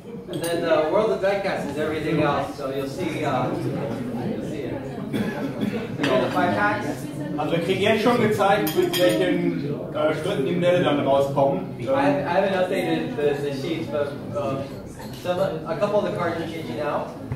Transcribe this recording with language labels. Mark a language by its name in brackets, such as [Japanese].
[English] And then World of Deadcats is everything else, so you'll see it. So, 5 packs. [German] Also, ich kriege jetzt schon gezeigt, mit welchen Schritten die Mail dann rauskommen. So. [English] I haven't updated the sheets, but a couple of the cards are changing out.